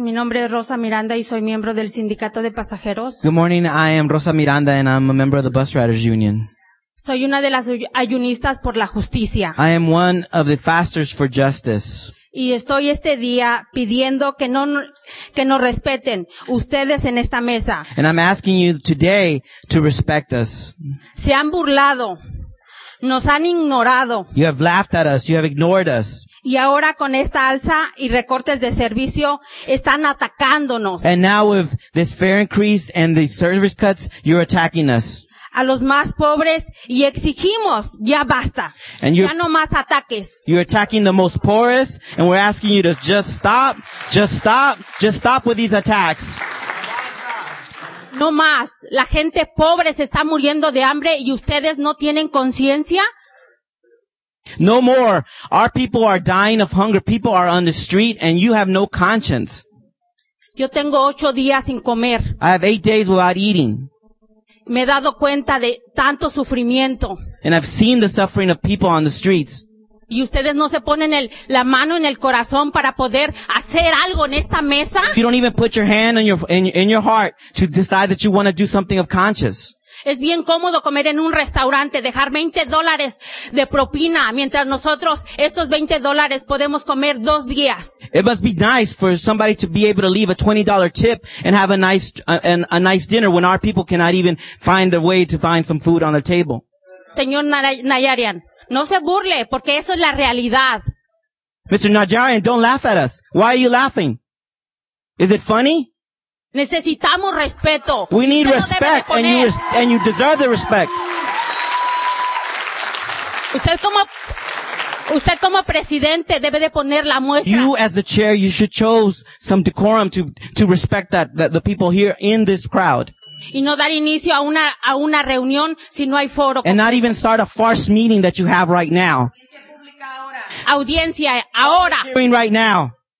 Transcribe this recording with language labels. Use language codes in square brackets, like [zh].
[es] Mi nombre es Rosa Miranda y soy miembro del sindicato de pasajeros. [en] Good morning. I am Rosa Miranda and I'm a member of the Bus Riders Union. [es] Soy una de las ayunistas por la justicia. [en] I am one of the fasters for justice. [es] Y estoy este día pidiendo que no respeten ustedes en esta mesa. [en] And I'm asking you today to respect us. [es] Se han burlado. Nos han ignorado. [en] You have laughed at us. You have ignored us. [es] Y ahora con esta alza y recortes de servicio están atacándonos. [en] And now with this fare increase and these service cuts, you're attacking us. [es] A los más pobres y exigimos ya basta. Ya no más ataques. [en] You're attacking the most poorest and we're asking you to just stop with these attacks. [es] No más. La gente pobre se está muriendo de hambre y ustedes no tienen conciencia. [en] No more. Our people are dying of hunger. People are on the street and you have no conscience. [es] Yo tengo 8 días sin comer. [en] I have 8 days without eating. [es] Me he dado cuenta de tanto sufrimiento. [en] And I've seen the suffering of people on the streets. [es] Y ustedes no se ponen la mano en el corazón para poder hacer algo en esta mesa. [en] You don't even put your hand in your heart to decide that you want to do something of conscience. [es] Es bien cómodo comer en un restaurante, dejar $20 de propina, mientras nosotros estos $20 podemos comer 2 días. [en] It must be nice for somebody to be able to leave a $20 tip and have a nice dinner when our people cannot even find a way to find some food on the table. [es] Señor Najarian, no se burle, porque eso es la realidad. [en] Mr. Najarian, don't laugh at us. Why are you laughing? Is it funny? [es] Necesitamos respeto. [en] We need respect, and you deserve the respect. [es] Usted como presidente debe de poner la muestra. [en] You as the chair, you should show some decorum to respect that the people here in this crowd. [es] Y no dar inicio a una reunión si no hay foro. [en] And not even start a farce meeting that you have right now. [es] Audiencia ahora. [en] Hearing right now.